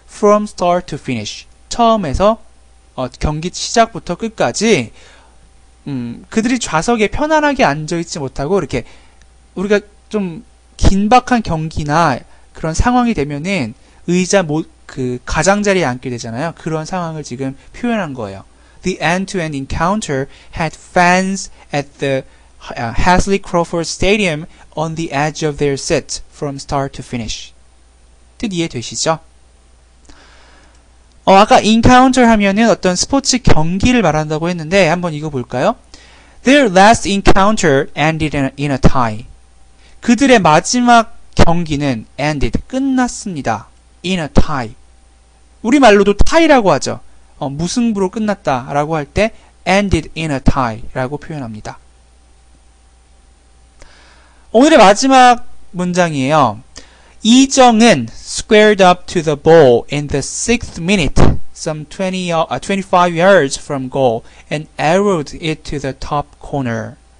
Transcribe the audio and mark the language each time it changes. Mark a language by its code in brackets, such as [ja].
[en] From start to finish [ko] 처음에서 경기 시작부터 끝까지 그들이 좌석에 편안하게 앉아있지 못하고 이렇게 우리가 좀 긴박한 경기나 그런 상황이 되면은 의자 못그 가장자리에 앉게 되잖아요. 그런 상황을 지금 표현한 거예요. [en] The end-to-end encounter had fans at the Hasley Crawford Stadium on the edge of their seats from start to finish. [ko] 뜻 이해되시죠? 아까 encounter 하면은 어떤 스포츠 경기를 말한다고 했는데 한번 이거 볼까요? [en] Their last encounter ended in a tie. [ko] 그들의 마지막 경기는 [en] ended, [ko] 끝났습니다. [en] In a tie. [ko] 우리말로도 tie라고 하죠. 무승부로 끝났다라고 할때 [en] ended in a tie [ko] 라고 표현합니다. 오늘의 마지막 문장이에요. [en] 이정은 squared up to the ball in the 6th minute some 25 yards from goal and arrowed it to the top corner.